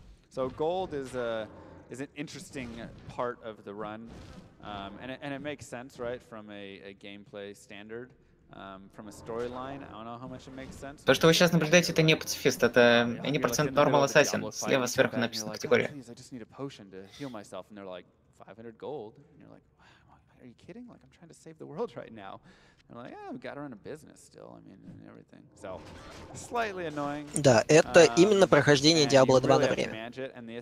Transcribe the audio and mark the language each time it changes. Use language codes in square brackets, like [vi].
[en] So gold is an interesting part of the run. And it makes sense, right, from a gameplay standard, from a storyline. I don't know how much it makes sense. [ru] То, что вы сейчас наблюдаете, это не пацифист, это не процент нормал ассасин. Слева сверху написано категория. [en] I just need a potion to heal myself, and they're like 500 gold, and you're like, wow, are you kidding? Like I'm trying to save the world right now. They're like, yeah, we gotta run a business still. I mean, and everything. So slightly annoying. [ru] Да, это именно прохождение Diablo 2 на время.